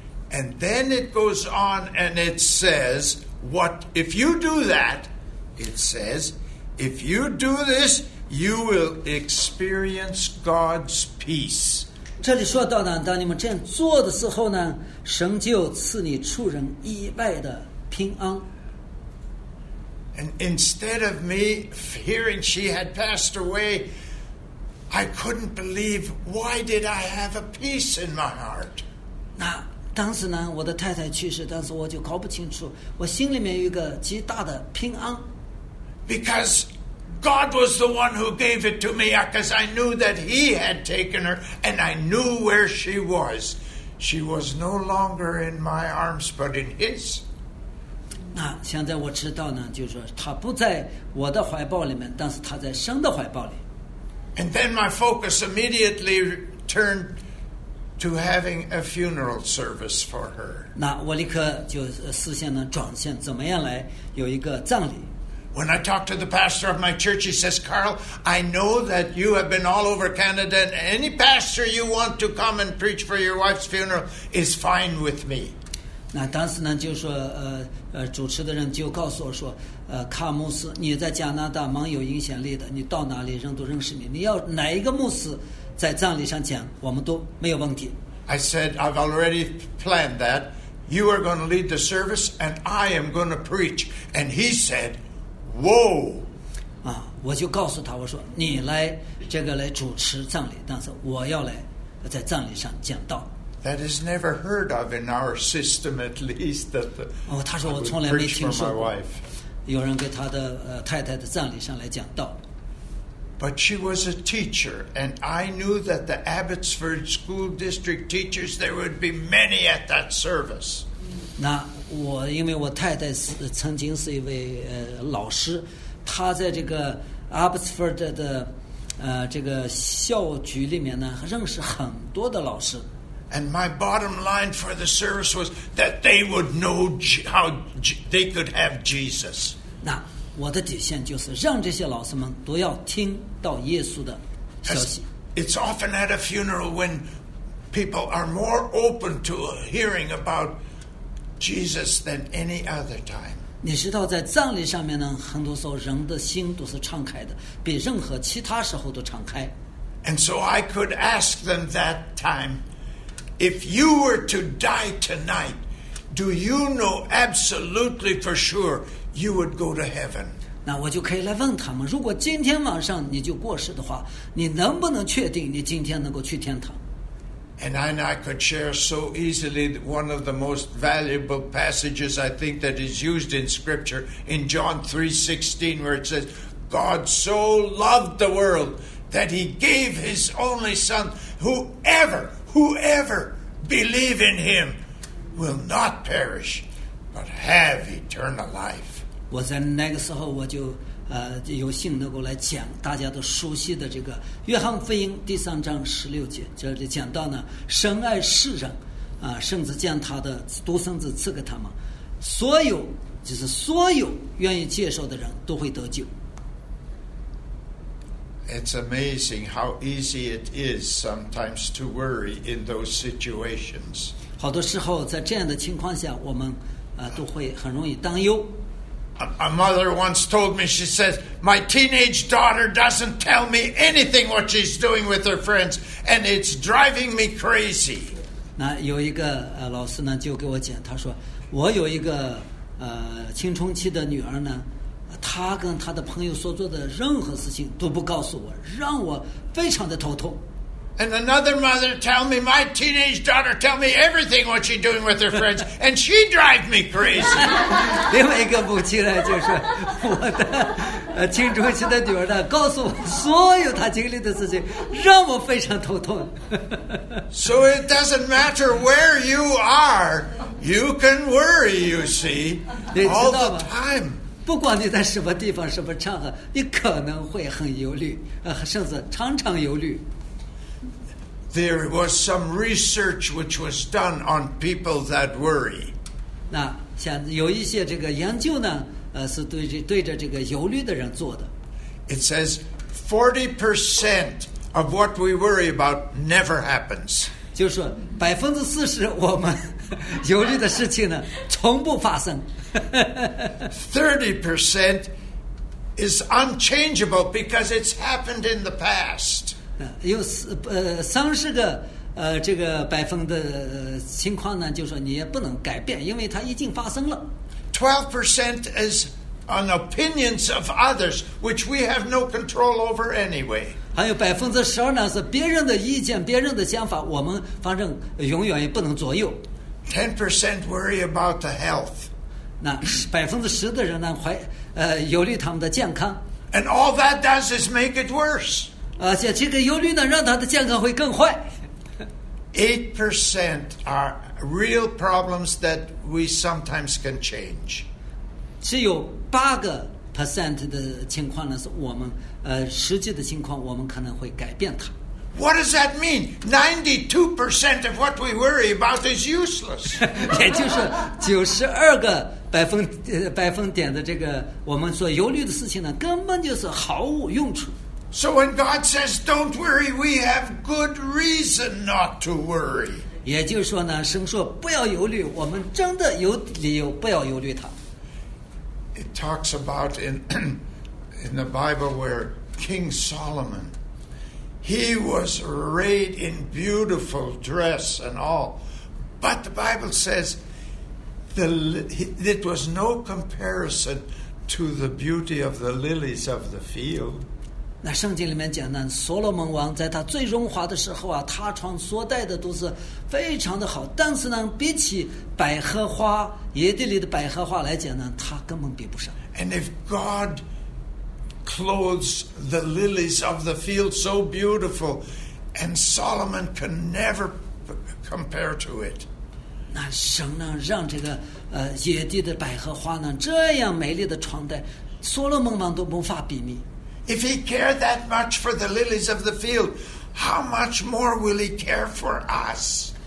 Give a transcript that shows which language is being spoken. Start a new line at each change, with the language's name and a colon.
English: And then it goes on and it says, "What if you do that?" It says, "If you do this, you will experience God's peace."
Chinese: 这里说到呢，当你们这样做的时候呢，神就赐你出人意外的平安。
English: And instead of me hearing she had passed away. I couldn't believe why did I have a peace in my heart.
Chinese: 那当时呢，我的太太去世，但是我就搞不清楚，我心里面有一个极大的平安。
English: Because God was the one who gave it to me, because I knew that He had taken her, and I knew where she was. She was no longer in my arms, but in His.
Chinese: 那现在我知道呢，就是她不在我的怀抱里面，但是她在神的怀抱里。
English: And then my focus immediately turned to having a funeral service for her.
Chinese: 那我立刻就视线呢转向怎么样来有一个葬礼。
English: When I talked to the pastor of my church, he says, "Carl, I know that you have been all over Canada, and any pastor you want to come and preach for your wife's funeral is fine with me."
Chinese: 那当时呢就说主持的人就告诉我说。卡牧师，你在加拿大蛮有影响力的，你到哪里人都认识你。你要哪一个牧师在葬礼上讲，我们都没有问题。
English: I said I've already planned that. You are going to lead the service, and I am going to preach. And he said, "Whoa!" 啊，
Chinese: 我就告诉他，我说你来这个来主持葬礼，但是我要来在葬礼上讲道。
English: That is never heard of in our system, at least. That the,
Chinese: 哦，他说我从来没听说过有人给他的太太的葬礼上来讲道。
English: But she was a teacher, and I knew that the Abbotsford School District teachers, there would be many at that service.
Chinese: 那我因为我太太是曾经是一位老师，她在这个 Abbotsford 的这个校局里面呢，认识很多的老师。
English: And my bottom line for the service was that they would know how they could have Jesus.
Chinese: 那我的底线就是让这些老师们都要听到耶稣的消息。
English: It's often at a funeral when people are more open to hearing about Jesus than any other time.
Chinese: 你知道在葬礼上面呢，很多时候人的心都是敞开的，比任何其他时候都敞开。
English: And so I could ask them that time, if you were to die tonight, do you know absolutely for sure you would go to heaven?
Chinese: 那我就可以来问他们，如果今天晚上你就过世的话，你能不能确定你今天能够去天堂？
English: And I could share so easily one of the most valuable passages I think that is used in scripture in John 3:16 where it says, God so loved the world that he gave his only son, whoever believe in him will not perish but have eternal life.
Chinese: 我在那个时候我就有幸能够来讲大家都熟悉的这个约翰福音第三章十六节，这里讲到呢，神爱世人甚至将他的独生子赐给他们，所有就是所有愿意接受的人都会得救。
English: It's amazing how easy it is sometimes to worry in those situations.
Chinese: 好多时候在这样的情况下我们都会很容易担忧。
English: A mother once told me, she says, my teenage daughter doesn't tell me anything what she's doing with her friends, and it's driving me crazy.
Chinese: 那有一个老师呢就给我讲，他说我有一个青春期的女儿呢，她跟她的朋友所做的任何事情都不告诉我，让我非常的头痛。
English: And another mother tell me, my teenage daughter tell me everything what she's doing with her friends, and she drives me crazy.
Chinese: 另外一个母亲呢，就是我的青春期的女儿呢，告诉我所有她经历的事情，让我非常头痛。
English: So it doesn't matter where you are, you can worry, you see, all the time.
Chinese: 不管你在什么地方、什么场合，你可能会很忧虑，甚至常常忧虑。
English: There was some research which was done on people that worry.
Chinese: 那像有一些这个研究呢，是对着这个忧虑的人做的。
English: It says 40% of what we worry about never happens.
Chinese: 就是40%我们忧虑的事情呢，从不发生。
English: 30% is unchangeable because it's happened in the past.
Chinese: 有30%百分的情况呢，就是说你也不能改变，因为它已经发生了。
English: 12% is on opinions of others, which we have no control over anyway.
Chinese: 还有12%呢，是别人的意见、别人的想法，我们反正永远也不能左右。
English: 10% worry about the health.
Chinese: 那10%的人呢，忧虑他们的健康。
English: And all that does is make it worse.
Chinese: 而且这个忧虑呢，让他的健康会更坏。
English: 8% are real problems that we sometimes can change.
Chinese: 只有8% 的情况呢，是我们实际的情况，我们可能会改变它。
English: What does that mean? 92% of what we worry about is useless.
Chinese: 也就是92%的这个我们所忧虑的事情呢，根本就是毫无用处。
English: So when God says, "Don't worry," we have good reason not to worry.
Chinese: 也就是说呢，神说不要忧虑，我们真的有理由不要忧虑他。
English: It talks about in the Bible where King Solomon, he was arrayed in beautiful dress and all, but the Bible says it was no comparison to the beauty of the lilies of the field.
Chinese: 那圣经里面讲呢，所罗门王在他最荣华的时候啊，他穿所戴的都是非常的好。但是呢，比起百合花，野地里的百合花来讲呢，他根本比不上。
English: And if God clothes the lilies of the field so beautiful, and Solomon can never compare to it.
Chinese: 那神呢，让这个野地的百合花呢这样美丽的穿戴，所罗门王都无法比拟。
English: If he cared that much for the lilies of the field, how much more will he care for us?